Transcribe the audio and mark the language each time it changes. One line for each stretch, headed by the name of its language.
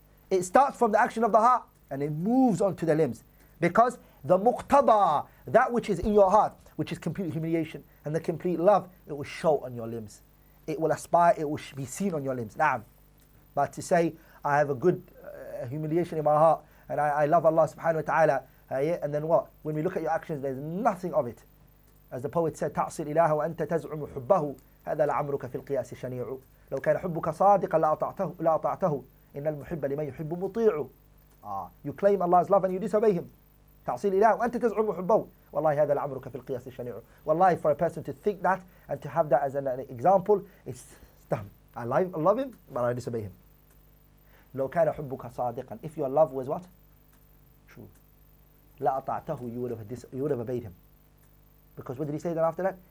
English: It starts from the action of the heart and it moves on to the limbs. Because the muqtada, that which is in your heart, which is complete humiliation and the complete love, it will show on your limbs. It will aspire, it will be seen on your limbs. Na'am. But to say, I have a good humiliation in my heart and I love Allah subhanahu wa ta'ala, and then what? When we look at your actions, there's nothing of it. As the poet said,
Arabic: تعصي الإله وأنت تزعم حبه هذا لعمرك في القياس شنيع لو كان حبك صادقا لأطعته إن المحب لمن يحب مطيع.
English: You claim Allah's love and you disobey him.
Arabic: تعصي الإله وأنت تزعم حبه والله هذا لعمرك في القياس شنيع. والله,
English: for a person to think that and to have that as an example, it's dumb. I love him but I disobey him.
Arabic: لو كان حبك صادقا,
English: if your love was what? True.
Arabic: لأطعته,
English: you would have obeyed him. Because what did he say then after that?